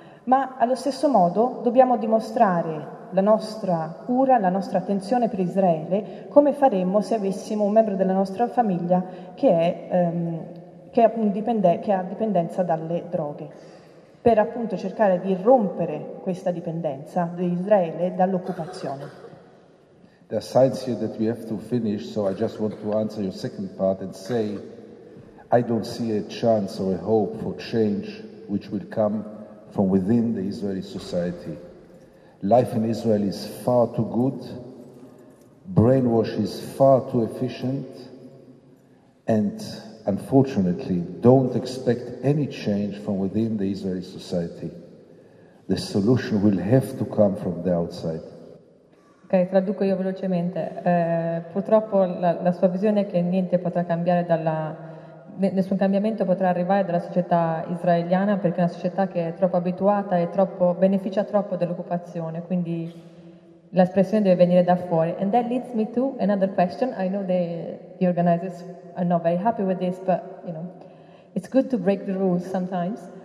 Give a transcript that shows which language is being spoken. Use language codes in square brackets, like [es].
[it] Ma allo stesso modo dobbiamo dimostrare la nostra cura, la nostra attenzione per Israele, come faremmo se avessimo un membro della nostra famiglia che ha dipendenza dalle droghe, per appunto cercare di rompere questa dipendenza di Israele dall'occupazione. [en] There are sides here that we have to finish, so I just want to answer your second part and say I don't see a chance or a hope for change which will come from within the Israeli society. Life in Israel is far too good, brainwash is far too efficient, and unfortunately, don't expect any change from within the Israeli society. The solution will have to come from the outside. [it] Ok, traduco io velocemente. Purtroppo la sua visione è che niente potrà cambiare nessun cambiamento potrà arrivare dalla società israeliana, perché è una società che è troppo abituata e troppo beneficia troppo dell'occupazione, quindi l'espressione deve venire da fuori. [en] And that leads me to another question. I know the organizers are not very happy with this, but you know, it's good to break the rules sometimes.